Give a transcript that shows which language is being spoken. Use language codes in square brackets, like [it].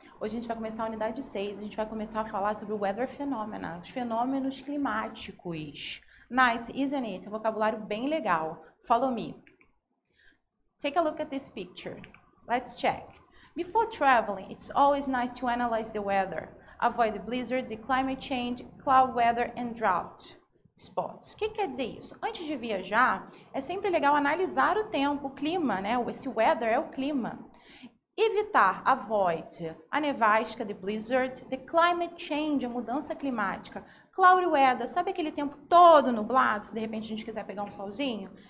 [pt] Hoje a gente vai começar a unidade 6. A gente vai começar a falar sobre o weather phenomena, os fenômenos climáticos. [en] Nice, isn't it? [pt] Um vocabulário bem legal. [en] Follow me. Take a look at this picture. Let's check. Before traveling, it's always nice to analyze the weather. Avoid the blizzard, the climate change, cloud weather and drought spots. [pt] O que quer dizer isso? Antes de viajar, é sempre legal analisar o tempo, o clima, né? Esse weather é o clima. Evitar, avoid, a nevasca, the blizzard, the climate change, a mudança climática, cloudy weather, sabe aquele tempo todo nublado, se de repente a gente quiser pegar um solzinho?